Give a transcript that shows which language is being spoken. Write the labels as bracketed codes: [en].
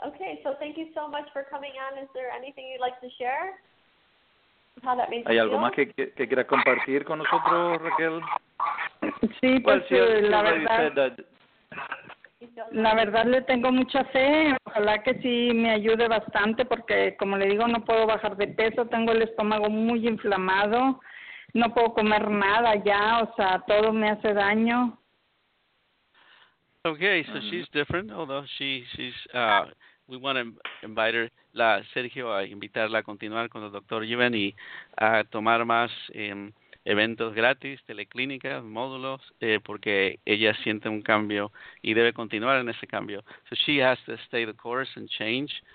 [en] Okay, so thank you so much for coming on. Is there anything you'd like to share? How that means [es] ¿Hay algo más que quieras compartir con nosotros, Raquel? Sí, pues la verdad. La verdad le tengo mucha fe, ojalá que sí me ayude bastante, porque como le digo, no puedo bajar de peso, tengo el estómago muy inflamado, no puedo comer nada ya, o sea, todo me hace daño. [en] Okay, so she's different, although she's we want to invite her, Sergio, [es] a invitarla a continuar con el doctor Yuen y a tomar más eventos gratis, teleclínicas, módulos, porque ella siente un cambio y debe continuar en ese cambio. [en] So she has to stay the course and change.